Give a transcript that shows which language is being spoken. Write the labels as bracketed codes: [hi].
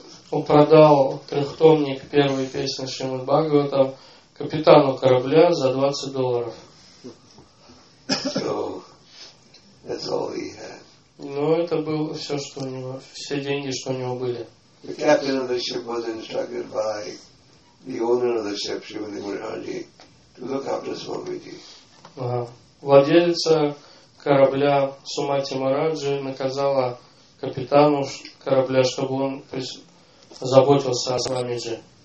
[ru] Он продал трехтомник первой песни Шримад Бхагаватам капитану корабля за $20. [en] So, that's all he had. [ru] Но это было все, что у него, все деньги, что у него были. [en] The captain of the ship was instructed by the owner of the ship, Shrimati Murari, to look after Swamiji. [ru] Владелец корабля Сумати Мараджи наказала капитану корабля, чтобы он заботился о Свамиджи.